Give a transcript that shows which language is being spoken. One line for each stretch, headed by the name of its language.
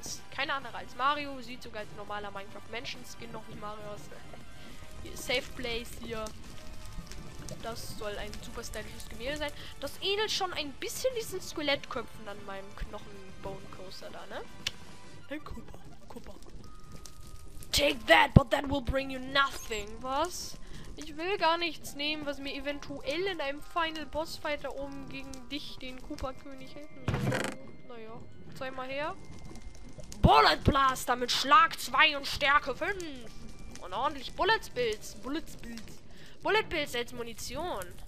German: Keine andere als Mario, sieht sogar als normaler Minecraft-Menschen-Skin noch nicht Mario aus. Hier ist Safe Place hier. Das soll ein super stylisches Gemälde sein. Das ähnelt schon ein bisschen diesen Skelettköpfen an meinem Knochen-Bone-Coaster da, ne? Hey, Koopa, Koopa.
English: Take that, but that will bring you nothing.
German: Was? Ich will gar nichts nehmen, was mir eventuell in einem Final Boss-Fight da oben gegen dich, den Koopa-König, helfen soll. Naja, zeig mal her. Bullet Blaster mit Schlag 2 und Stärke 5. Und ordentlich Bullet Bills als Munition.